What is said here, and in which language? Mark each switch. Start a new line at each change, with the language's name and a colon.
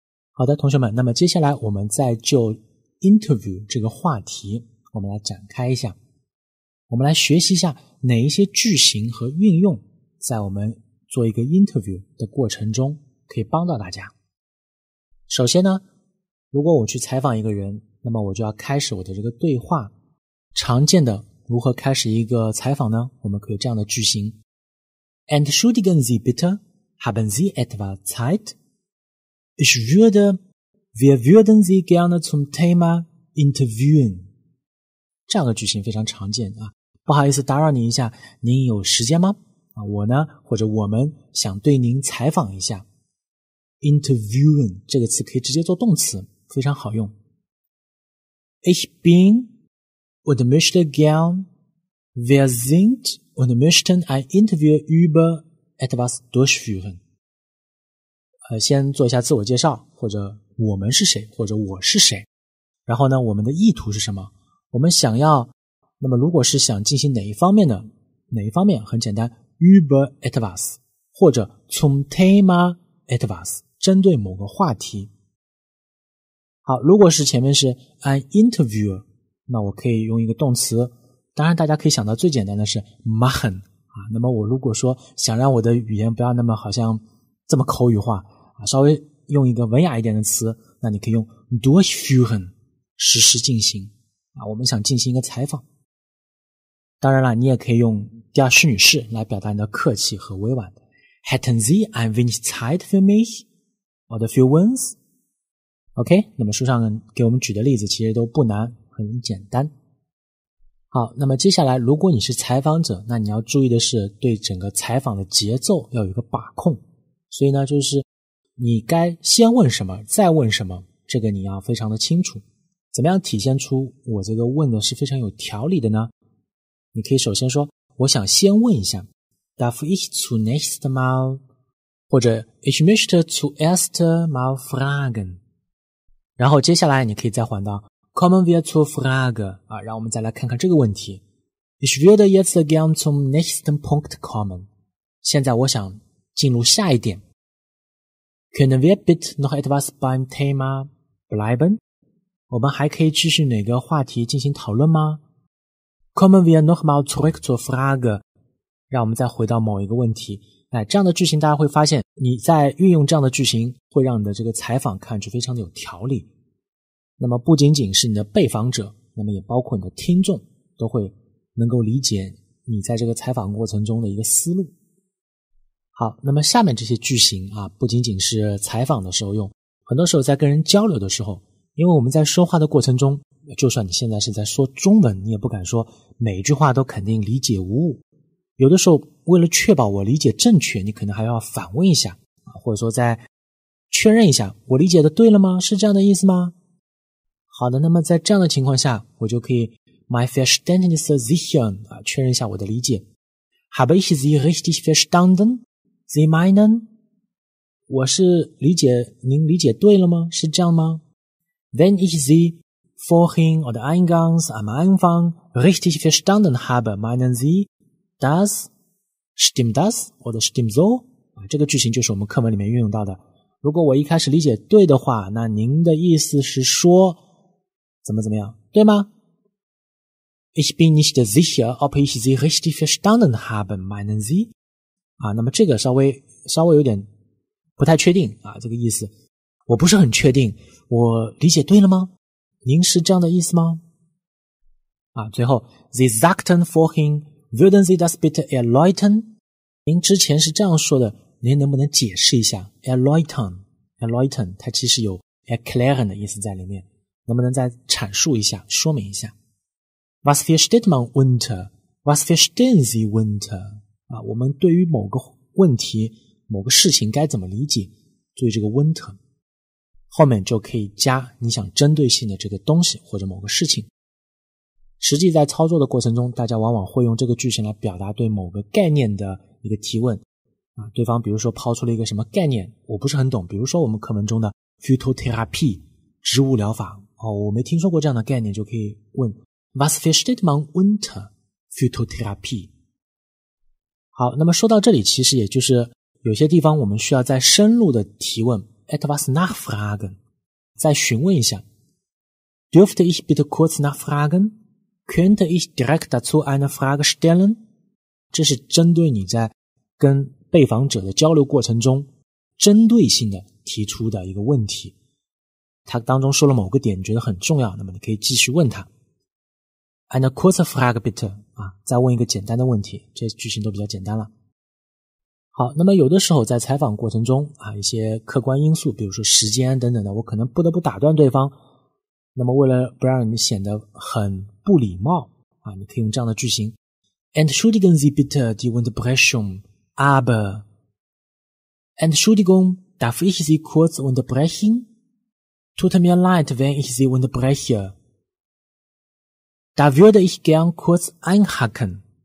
Chinese: 好的，同学们，那么接下来我们再就 interview 这个话题我们来展开一下，我们来学习一下哪一些句型和运用在我们做一个 interview 的过程中可以帮到大家。首先呢，如果我去采访一个人，那么我就要开始我的这个对话。常见的如何开始一个采访呢？我们可以这样的句型，
German: Entschuldigen Sie bitte, haben Sie etwa Zeit? Wir würden Sie gerne zum Thema interviewen.
Chinese: 这样的句型非常常见啊。不好意思打扰您一下，您有时间吗？啊，我呢或者我们想对您采访一下。 Interviewen 这个词可以直接做动词，非常好用。
German: Ich bin und möchte gern, wir sind und möchten ein Interview über etwas durchführen.
Chinese: 先做一下自我介绍，或者我们是谁，或者我是谁，然后呢我们的意图是什么，我们想要，那么如果是想进行哪一方面呢，哪一方面，很简单，
German: über etwas
Chinese: 或者
German: zum Thema etwas，
Chinese: 针对某个话题。好，如果是前面是
English: an interviewer，
Chinese: 那我可以用一个动词，当然大家可以想到最简单的是 machen、啊、那么我如果说想让我的语言不要那么好像这么口语化，稍微用一个文雅一点的词，那你可以用 durchführen， 实时进行啊。我们想进行一个采访，当然了，你也可以用第二虚拟式来表达你的客气和委婉。
German: Hätten Sie ein wenig Zeit für mich
English: or a few words?
Chinese: OK， 那么书上给我们举的例子其实都不难，很简单。好，那么接下来，如果你是采访者，那你要注意的是对整个采访的节奏要有一个把控。所以呢，就是你该先问什么，再问什么，这个你要非常的清楚。怎么样体现出我这个问的是非常有条理的呢？你可以首先说，我想先问一下。
German: Darf ich zunächst mal? 或者 Ich möchte zuerst mal fragen.
Chinese: 然后接下来你可以再换到
German: Kommen wir zur Frage.
Chinese: 啊，让我们再来看看这个问题。
German: Ich würde jetzt gern zum nächsten Punkt kommen.
Chinese: 现在我想进入下一点。
German: Können wir bitte noch etwas beim Thema bleiben?
Chinese: 我们还可以继续哪个话题进行讨论吗？
German: Kommen wir nochmal zurück zur Frage,
Chinese: 让我们再回到某一个问题。哎，这样的句型大家会发现，你在运用这样的句型会让你的这个采访看去非常的有条理。那么不仅仅是你的被访者，那么也包括你的听众都会能够理解你在这个采访过程中的一个思路。好，那么下面这些句型啊，不仅仅是采访的时候用，很多时候在跟人交流的时候，因为我们在说话的过程中，就算你现在是在说中文，你也不敢说每一句话都肯定理解无误。有的时候为了确保我理解正确，你可能还要反问一下，或者说再确认一下，我理解的对了吗？是这样的意思吗？好的，那么在这样的情况下，我就可以
German: My verstanden ist sicher,
Chinese: 确认一下我的理解。
German: Habe ich Sie richtig verstanden? Sie meinen?
Chinese: 我是理解，您理解对了吗？是这样吗？
German: Wenn ich SieVorhin oder eingangs am Anfang richtig verstanden habe, meinen Sie das? Stimmt das? Oder stimmt so?
Chinese: 这个句型就是我们课文里面运用到的。如果我一开始理解对的话，那您的意思是说怎么怎么样，对吗？
German: Ich bin nicht sicher, ob ich Sie richtig verstanden habe, meinen Sie?
Chinese: 啊，那么这个稍微有点不太确定啊，这个意思。我不是很确定，我理解对了吗？您是这样的意思吗？啊，最后
German: Sie sagten vorhin, würden Sie das bitte erläutern?
Chinese: 您之前是这样说的，您能不能解释一下 ?erläutern, 它其实有 erklären 的意思在里面，能不能再阐述一下，说明一下。
German: Was versteht man unter? Was verstehen Sie unter?
Chinese: 啊，我们对于某个问题某个事情该怎么理解，注意这个 unter。后面就可以加你想针对性的这个东西或者某个事情。实际在操作的过程中，大家往往会用这个句型来表达对某个概念的一个提问。啊，对方比如说抛出了一个什么概念，我不是很懂，比如说我们课文中的 phytotherapy, 植物疗法，哦，我没听说过这样的概念，就可以问
German: Was versteht man unter phytotherapy?
Chinese: 好，那么说到这里，其实也就是有些地方我们需要再深入的提问。
German: etwas nachfragen,
Chinese: 再询问一下。
German: Dürfte ich bitte kurz nachfragen? Könnte ich direkt dazu eine Frage stellen?
Chinese: 这是针对你在跟被访者的交流过程中针对性的提出的一个问题。他当中说了某个点觉得很重要，那么你可以继续问他。
German: Eine kurze Frage bitte,
Chinese: 啊，再问一个简单的问题，这些句型都比较简单了。好，那么有的时候在采访过程中啊，一些客观因素，比如说时间等等的，我可能不得不打断对方。那么为了不让你显得很不礼貌啊，你可以用这样的句型
German: ：Entschuldigen Sie bitte die Unterbrechung, aber Entschuldigung, darf ich Sie kurz unterbrechen? Tut mir leid, wenn ich Sie unterbreche. Da würde ich gern kurz einhaken.